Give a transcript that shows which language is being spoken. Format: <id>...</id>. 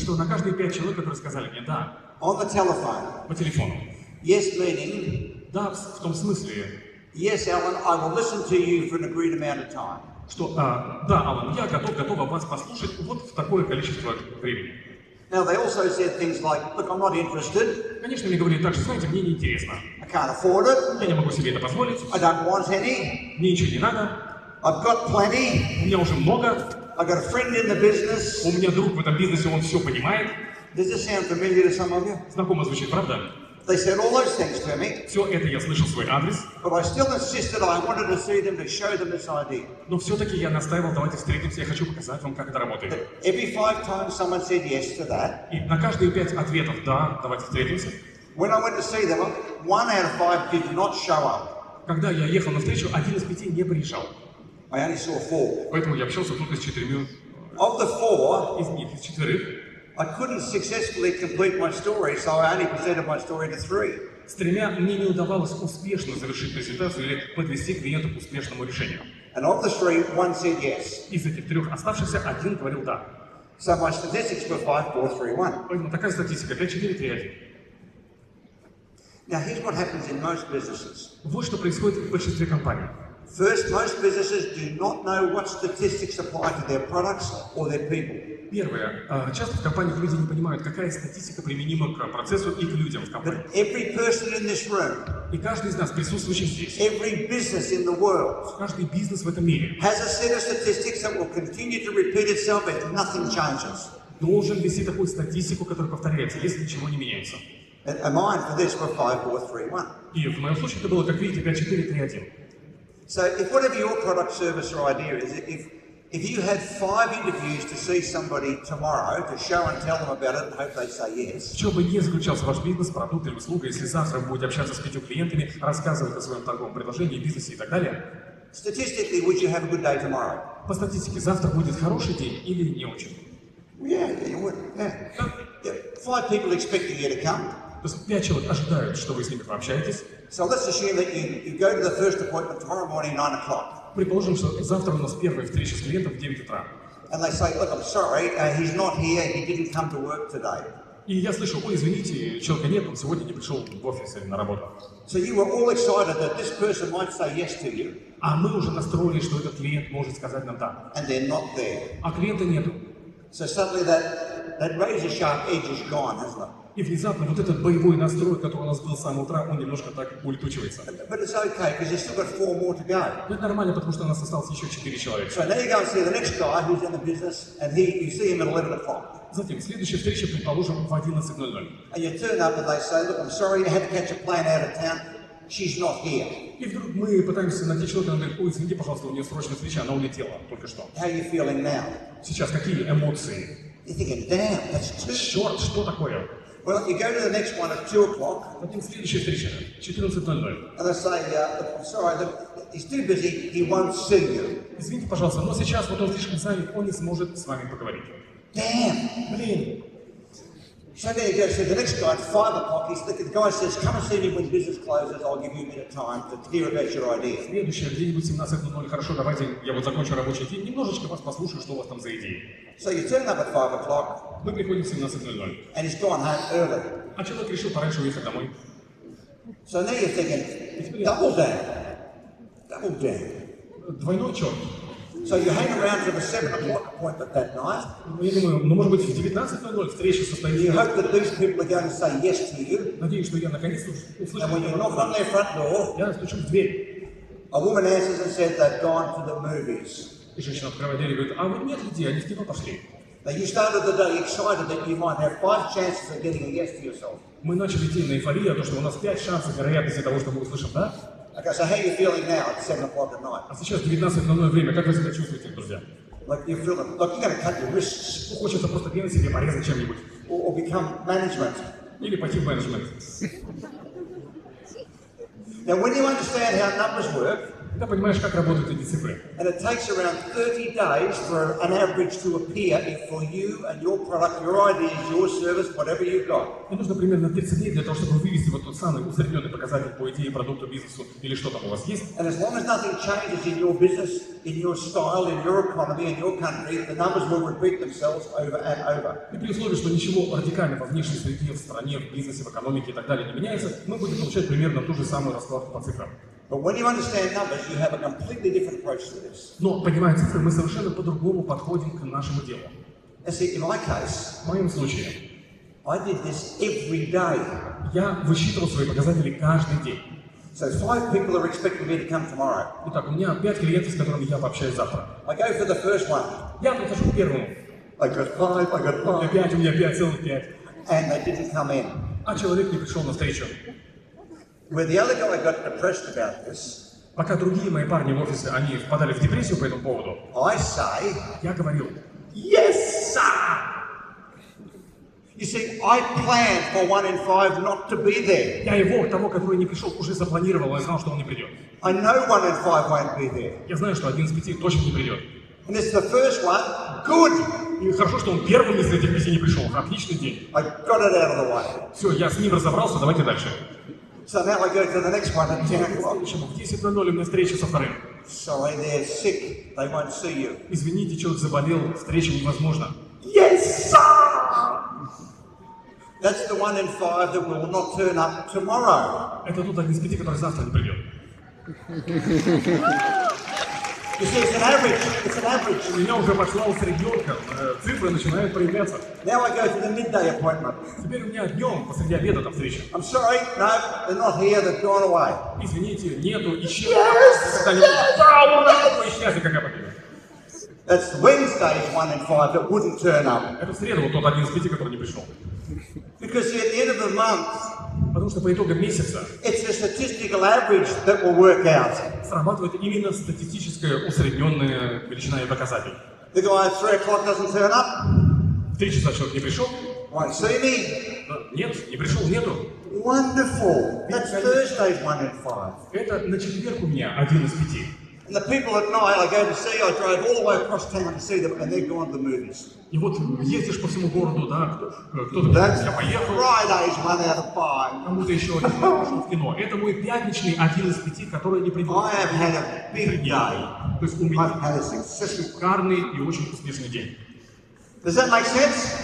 <ru>что на каждые 5 человек, которые сказали мне «да»,</ru> <en>on the telephone,</en> <ru>по телефону,</ru> <en>yes, meaning,</en> <ru>да, в том смысле,</ru> <en>yes, Alan, I will listen to you for an agreed amount of time.</en> <ru>Что, да, Алан, я готова вас послушать вот в такое количество времени.</ru> <en>Now they also said things like, look, I'm not interested.</en> <ru>Конечно, мне говорили так же, знаете, мне не интересно.</ru> <en>I can't afford it.</en> <ru>Я не могу себе это позволить.</ru> <en>I don't want any.</en> <ru>Мне ничего не надо.</ru> <en>I've got plenty.</en> <ru>У меня уже много.</ru> <en>I've got a friend in the business.</en> <ru>У меня друг в этом бизнесе, он все понимает.</ru> <en>Does this sound familiar to some of you?</en> <ru>Знакомо звучит, правда?</ru> <en>They said all those things to me.</en> <ru>Все это я слышал свой адрес.</ru> <en>But I still insisted I wanted to see them to show them this idea.</en> <ru>Но все-таки я настаивал, давайте встретимся, я хочу показать вам, как это работает.</ru> <en>But every 5 times someone said yes to that.</en> <ru>И на каждые 5 ответов да, давайте встретимся.</ru> <en>When I went to see them, 1 out of 5 did not show up.</en> <ru>Когда я ехал на встречу, 1 из 5 не приезжал.</ru> <en>I only saw 4.</en> <ru>Поэтому я общался только с 4.</ru> <en>Of the 4.</en> <ru>Из них, из 4.</ru> <en>I couldn't successfully complete my story, so I only presented my story to 3.</en> <ru>с тремя мне не удавалось успешно завершить презентацию или подвести клиента к успешному решению.</ru> <en>And of the three, one said yes.</en> <ru>Из этих трех оставшихся один говорил да.</ru> <en>So my statistics were 5-4-3-1.</en> <ru>Поэтому такая статистика 5-4-3-1.</ru> <en>Now here's what happens in most businesses.</en> <ru>Вот что происходит в большинстве компаний.</ru> <en>First, most businesses do not know what statistics apply to their products or their people.</en> <ru>Первое. Часто в компаниях люди не понимают, какая статистика применима к процессу и к людям в компании.</ru> <en>But every person in this room,</en> <ru>и каждый из нас, присутствующий здесь,</ru> <en>every business in the world,</en> <ru>каждый бизнес в этом мире,</ru> <en>has a set of statistics that will continue to repeat itself if nothing changes.</en> <ru>Должен вести такую статистику, которая повторяется, если ничего не меняется.</ru> <en>And mine for this were 5-4-3-1.</en> <ru>И в моем случае это было, как видите, 5-4-3-1.</ru> <en>So if whatever your product, service, or idea is, if you had 5 interviews to see somebody tomorrow to show and tell them about it and hope they say yes.</en> <ru>В чем бы ни заключался ваш бизнес, продукт или услуга, если завтра вы будете общаться с 5 клиентами, рассказывать о своем торговом предложении, бизнесе и так далее.</ru> <en>Statistically, would you have a good day tomorrow?</en> <ru>По статистике, завтра будет хороший день или не очень?</ru> <en>Yeah, you would. Yeah. Yeah. 5 people expecting you to come.</en> <ru>То есть 5 человек ожидают, что вы с ними пообщаетесь.</ru> <en>So let's assume that you go to the first appointment tomorrow morning 9:00.</en> <ru>Предположим, что завтра у нас первая встреча с клиентом в 9 утра.</ru> <en>And they say, look, I'm sorry, he's not here, he didn't come to work today.</en> <ru>И я слышу, ой, извините, человека нет, он сегодня не пришел в офис или на работу.</ru> <en>So you were all excited that this person might say yes to you.</en> <ru>А мы уже настроились, что этот клиент может сказать нам да.</ru> <en>And they're not there.</en> <ru>А клиента нету.</ru> <en>So suddenly that razor sharp edge is gone, hasn't it?</en> <ru>И внезапно вот этот боевой настрой, который у нас был с самого утра, он немножко так улетучивается.</ru> <en>But it's okay, because you've still got 4 more to go.</en> <ru>Но это нормально, потому что у нас осталось еще 4 человека.</ru> <en>So now you go and see the next guy who's in the business, and you see him at 11:00.</en> <ru>Затем следующая встреча, предположим, в 11:00.</ru> <en>And you turn up and they say, look, I'm sorry, you had to catch a plane out of town. She's not here.</en> <ru>И вдруг мы пытаемся найти человека, он говорит, ой, извините, пожалуйста, у нее срочная встреча, она улетела только что.</ru> <en>How are you feeling now?</en> <ru>Сейчас какие эмоции?</ru> <en>You're thinking, damn, that's too.</en> <ru>Черт, что такое?</ru> <en>Well, you go to the next one at 2:00.</en> <ru>Потом следующая встреча, 14:00.</ru> <en>And they say, he's too busy, he won't see you.</en> <ru>Извините, пожалуйста, но сейчас вот он слишком занят, он не сможет с вами поговорить.</ru> <en>Damn!</en> <ru>Блин!</ru> <en>So there you go, so the next guy at 5:00, the guy says, come and see me when business closes, I'll give you a minute of time to hear about your idea.</en> <ru>Следующее, где-нибудь 17:00, хорошо, давайте я вот закончу рабочий день, немножечко вас послушаю, что у вас там за идеи.</ru> <en>So you turn up at 5:00.</en> <ru>Мы приходим в 17:00.</ru> <en>And he's gone home early.</en> <ru>А человек решил пораньше уехать домой.</ru> <en>So now you're thinking, double down.</en> <ru>Двойной черт.</ru> <en>So you hang around for the 7:00 appointment that night.</en> <ru>Я думаю, может быть, в 19:00 встреча состоится.</ru> <en>You hope that these people are going to say yes to you.</en> <ru>Надеюсь, что я наконец-то услышу.</ru> <en>And when you knock on their front door,</en> <ru>я стучу в дверь.</ru> <en>A woman answers and says they've gone to the movies.</en> <ru>И женщина открывает дверь и говорит, а вот нет людей, они в кино пошли.</ru> <en>Now you started the day excited that you might have 5 chances of getting a yes to yourself.</en> <ru>Мы начали день на эйфории, то, что у нас 5 шансов вероятности того, что мы услышим, да?</ru> <en>Okay, so how are you feeling now at 7:00 at night?</en> <ru>А сейчас 19:00 время, как вы себя чувствуете, друзья?</ru> <en>Like you're feeling, you gotta cut your wrists.</en> <ru>Ну, хочется просто бегать себе порезать чем-нибудь.</ru> <en>Or become management.</en> <ru>Или пойти в менеджмент.</ru> <en>Now when you understand how numbers work,</en> <ru>ты понимаешь, как работают эти цифры.</ru> <en>And it takes around 30 days for an average to appear for you and your product, your ideas, your service, whatever you've got.</en> <ru>И нужно примерно 30 дней для того, чтобы вывести вот тот самый усредненный показатель по идее, продукту, бизнесу или что там у вас есть.</ru> <en>And as long as nothing changes in your business, in your style, in your economy, in your country, the numbers will repeat themselves over and over.</en> <ru>И при условии, что ничего радикально во внешней среде, в стране, в бизнесе, в экономике и так далее не меняется, мы будем получать примерно ту же самую раскладку по цифрам.</ru> <en>But when you understand numbers, you have a completely different approach to this.</en> <ru>Но понимая цифры, мы совершенно по-другому подходим к нашему делу.</ru> <en>In my case,</en> <ru>в моем случае,</ru> <en>I did this every day.</en> <ru>Я высчитывал свои показатели каждый день.</ru> <en>So 5 people are expecting me to come tomorrow.</en> <ru>Итак, у меня 5 клиентов, с которыми я пообщаюсь завтра.</ru> <en>I go for the first one.</en> <ru>Я прихожу к первому.</ru> <en>I got five.</en> <ru>У меня пять.</ru> <en>And they didn't come in.</en> <ru>А человек не пришел на встречу.</ru> <en>Where the other guy got depressed about this,</en> <ru>пока другие мои парни в офисе, они впадали в депрессию по этому поводу,</ru> <en>I say,</en> <ru>я говорил,</ru> <en>yes, sir! You see, I planned for 1 in 5 not to be there.</en> <ru>Я его, того, который не пришел, уже запланировал, я знал, что он не придет.</ru> <en>I know 1 in 5 won't be there.</en> <ru>Я знаю, что 1 из 5 точно не придет.</ru> <en>And this is the first one, good!</en> <ru>И хорошо, что он первым из этих 5 не пришел, отличный день.</ru> <en>I got it out of the way.</en> <ru>Все, я с ним разобрался, давайте дальше.</ru> <en>So now I go to the next one at 10 o'clock.</en> <ru>10:00 у меня встреча со вторым.</ru> <en>Sorry, they're sick. They won't see you.</en> <ru>Извините, человек заболел. Встреча невозможна.</ru> <en>Yes, sir. That's the one in five that will not turn up tomorrow.</en> <ru>Это тот один из пяти, который завтра не придет.</ru> <en>You see, it's an average.</en> <ru>У меня уже пошла усредненка, цифры начинают проявляться.</ru> <en>Now I go to the midday appointment.</en> <ru>Теперь у меня днем, посреди обеда там встреча.</ru> <en>I'm sorry, no, they're not here, they've gone away.</en> <ru>Извините, нету, ищи.</ru> <en>Yes, yes, yes. That's Wednesday's one in five that wouldn't turn up.</en> <ru>Это среда, вот тот один из пяти, который не пришел.</ru> <en>Because see, at the end of the month,</en> <ru>потому что по итогам месяца</ru> <en>it's a statistical average that will work out.</en> <ru>Срабатывает именно статистическая усредненная величина и показатель.</ru> <en>The guy at 3 o'clock doesn't turn up.</en> <ru>В 3 часа человек не пришел.</ru> <en>Won't see me.</en> <ru>Нет, не пришел, нету.</ru> <en>Wonderful. That's Thursday's one in five.</en> <ru>Это на четверг у меня один из пяти.</ru> <en>And the people at night I go to see, I drive all the way across town to see them, and they're going to the movies.</en> <ru>И вот ездишь по всему городу, да, кто-то говорит, я поехал.</ru> <en>Friday's one out of five.</en> <ru>Кому-то еще один пошел в кино. Это мой пятничный один из пяти, который не придет.</ru> <en>I have had a big day.</en> <ru>То есть у меня шикарный и очень успешный день.</ru> <en>Does that make sense?</en>